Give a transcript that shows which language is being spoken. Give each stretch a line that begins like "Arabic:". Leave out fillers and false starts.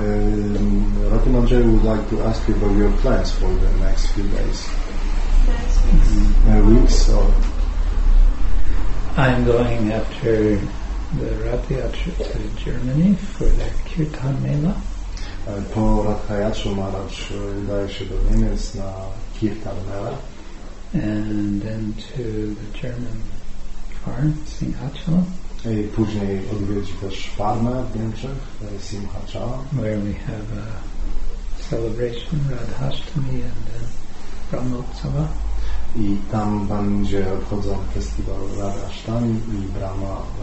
English: Rati Manjari would like to ask you about your plans for the next few days. Next weeks? So I'm going after the Ratha-yatra to Germany for the Kirtan Mela.
Polish: Po Ratha-yatra Maharaj udaje się do Niemiec na Kirtan Mela.
English: And then to the German farm, Singhachala.
Polish: I później odwiedzi też farmę w Niemczech, Singhachala.
English: Where we have a celebration, Radhashtami and then Brahmotsava.
Polish: I tam będzie obchodzony festiwal Radhashtami i Brahma.